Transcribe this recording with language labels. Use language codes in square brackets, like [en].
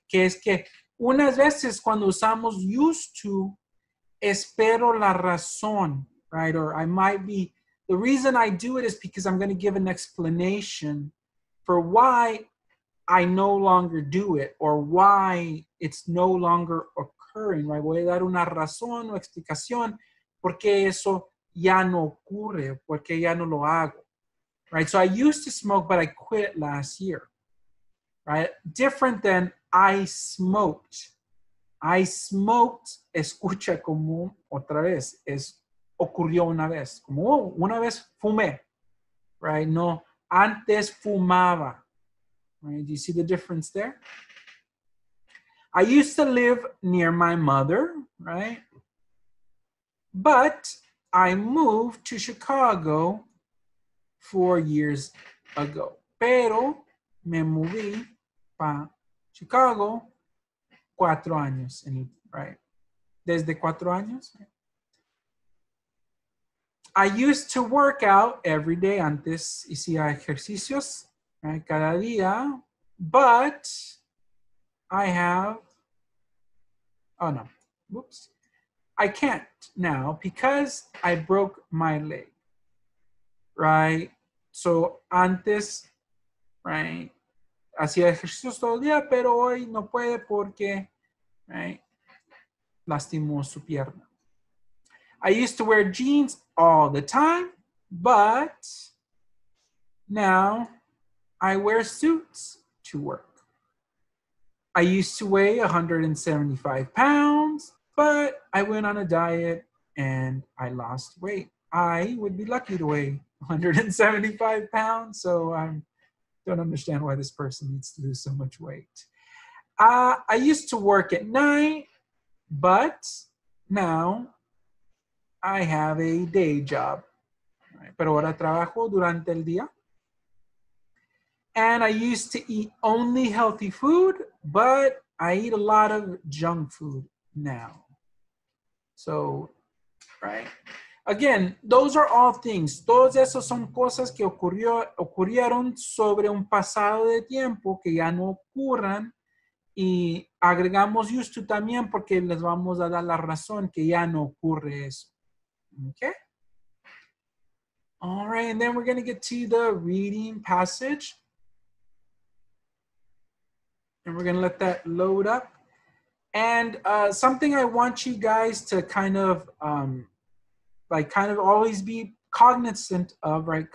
[es] Que es que unas veces cuando usamos used to, espero la razón, right? [en] Or I might be, the reason I do it is because I'm going to give an explanation for why I no longer do it or why it's no longer occurring, right? [es] Voy a dar una razón o explicación. ¿Por qué eso ya no ocurre? ¿Por qué ya no lo hago? Right? [en] So I used to smoke, but I quit last year. Right? Different than I smoked. I smoked, [es] escucha como otra vez, es ocurrió una vez. Como oh, una vez fumé. Right? No, antes fumaba. Right? [en] Do you see the difference there? I used to live near my mother, right? But I moved to Chicago 4 years ago. [es] Pero me mudé para Chicago 4 años. En el, right? Desde 4 años. [en] I used to work out every day. [es] Antes hacía ejercicios, [en] right? [es] Cada día. [en] But I have... Oh, no. Whoops. I can't now because I broke my leg, right? [es] So antes, right, hacía ejercicios todo el día, pero hoy no puede porque, right, lastimó su pierna. [en] I used to wear jeans all the time, but now I wear suits to work. I used to weigh 175 pounds, but I went on a diet and I lost weight. I would be lucky to weigh 175 pounds, so I don't understand why this person needs to lose so much weight. I used to work at night, but now I have a day job. [es] Pero ahora trabajo durante el día. [en] And I used to eat only healthy food, but I eat a lot of junk food now. So, right? Again, those are all things. [es] Todos esos son cosas que ocurrieron sobre un pasado de tiempo que ya no ocurran. Y agregamos used to también porque les vamos a dar la razón que ya no ocurre eso. [en] Okay? All right, and then we're going to get to the reading passage. And we're going to let that load up. And something I want you guys to kind of, always be cognizant of, right?